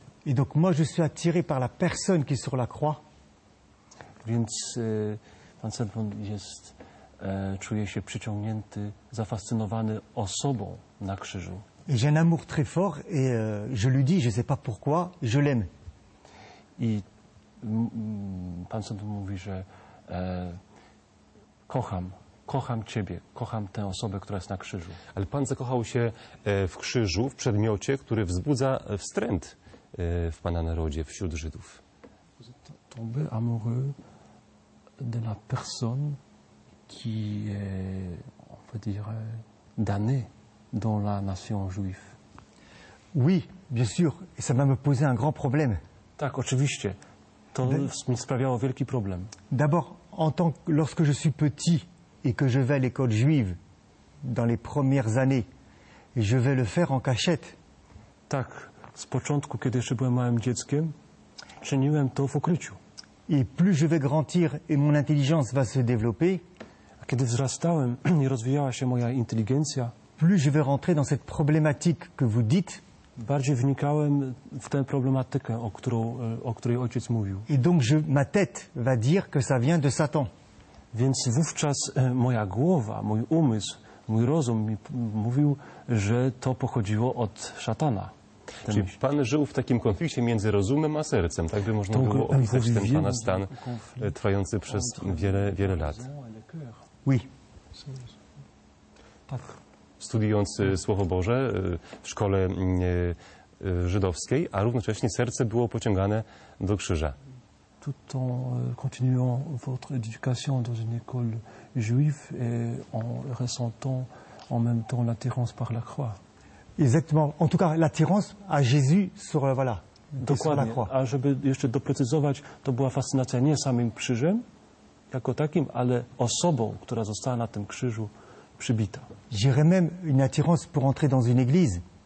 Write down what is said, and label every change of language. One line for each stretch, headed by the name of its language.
French: Et donc moi je suis attiré par la personne qui est sur la croix.
Polish: Więc pan Sedbon jest czuje się przyciągnięty, zafascynowany osobą na krzyżu.
French: J'ai un amour très fort et je lui dis, je sais pas pourquoi, je l'aime.
Polish: I pan Sedbon mówi, że kocham ciebie, kocham tę osobę, która jest na krzyżu. Ale pan zakochał się w krzyżu, w przedmiocie, który wzbudza wstręt w pana narodzie, wśród Żydów.
French: Tombé amoureux de la personne qui est, on peut dire, damnée dans la nation juive. Oui, bien sûr, et ça va me poser un grand problème.
Polish: Tak, oczywiście. To mi sprawiało wielki problem.
French: D'abord, en tant que lorsque je suis petit et que je vais à l'école juive dans les premières années, je vais le faire en cachette.
Polish: Tak, z początku, kiedy jeszcze byłem małym dzieckiem, czyniłem to w ukryciu.
French: Et plus je vais grandir et mon intelligence va se développer,
Polish: a kiedy wzrastałem i rozwijała się moja inteligencja,
French: plus je vais rentrer dans cette problématique que vous dites,
Polish: bardziej wnikałem w tę problematykę, o której ojciec mówił.
French: Et donc ma tête va dire que ça vient de Satan.
Polish: Więc wówczas moja głowa, mój umysł, mój rozum mi mówił, że to pochodziło od szatana. Czyli myśl. Pan żył w takim konflikcie między rozumem a sercem, tak by można było opisać ten pana stan trwający przez wiele, wiele lat.
French: Oui.
Polish: Tak. Studiując Słowo Boże w szkole żydowskiej, a równocześnie serce było pociągane do krzyża.
French: Tout en continuant votre éducation dans une école juive et en ressentant en même temps l'attirance par la croix. Exactement. En tout cas, l'attirance à Jésus sur, voilà, sur la croix.
Polish: A żeby jeszcze doprecyzować, to była fascynacja nie samym krzyżem jako takim, ale osobą, która została na tym krzyżu przybita.
French: J'irai même une attirance pour entrer dans une église.